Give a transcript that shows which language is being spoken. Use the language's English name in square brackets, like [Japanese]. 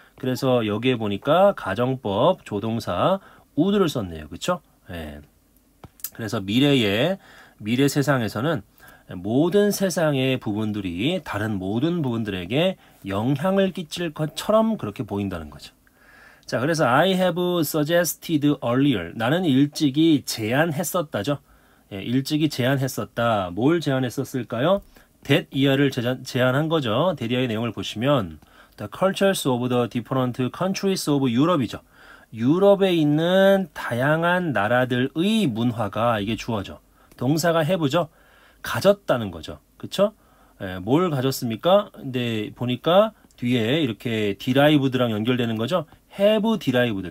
[Korean] 그래서 여기에 보니까 가정법, 조동사, would를 썼네요. 그쵸? 예. 그래서 미래에, 미래 세상에서는 모든 세상의 부분들이 다른 모든 부분들에게 영향을 끼칠 것처럼 그렇게 보인다는 거죠. 자, 그래서 [English] I have suggested earlier. [Korean] 나는 일찍이 제안했었다죠. 예, 일찍이 제안했었다. 뭘 제안했었을까요? That 이하를 제안한 거죠. That 이하의 내용을 보시면 [English] The cultures of the different countries of Europe [Korean] 이죠. 유럽에 있는 다양한 나라들의 문화가 이게 주어죠. 동사가 have죠. 가졌다는 거죠. 그쵸? 예, 뭘 가졌습니까? 근데 보니까 뒤에 이렇게 derived랑 연결되는 거죠. have derived.